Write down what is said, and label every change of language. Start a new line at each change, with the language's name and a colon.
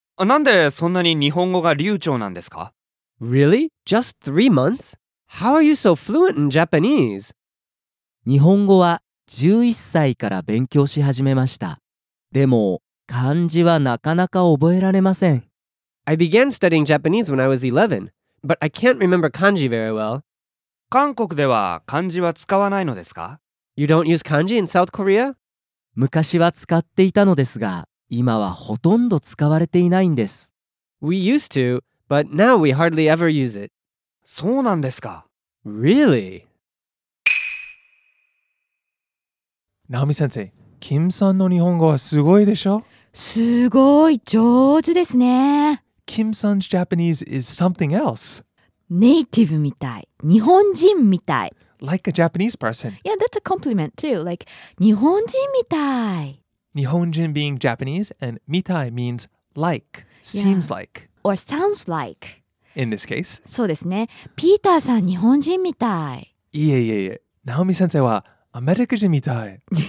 Japanese: なんでそんなに日本語が流暢なんですか？
English: Really? Just 3 months? How are you so fluent in Japanese?
Japanese: 日本語は11歳から勉強し始めました。でも、漢字はなかなか覚えられません。
English: I began studying Japanese when I was 11, but I can't remember kanji very well.
Japanese: 韓国では漢字は使わないのですか？
English: You don't use kanji in South Korea?
Japanese: 昔は使っていたのですが、今はほとんど使われていないんです。
English: We used to, but now we hardly ever use it.
Japanese: そうなんですか。
English: Really?
Japanese: Naomi-sensei, Kim さんの日本語はすごいでしょ？すごい上手ですね。
English: Kim さん's Japanese is something else.
Japanese: ネイティブみたい。日本人みたい。
English: Like a Japanese person. Yeah, that's a compliment too. Like,
Japanese: 日本人みたい。
English: Nihonjin being Japanese, and mitai means like, seems like. Or sounds like. In this case.
Japanese: そうですね。ピーターさん、日本人みたい。いえいえいえ。ナオミ先生は、アメリカ人みたい。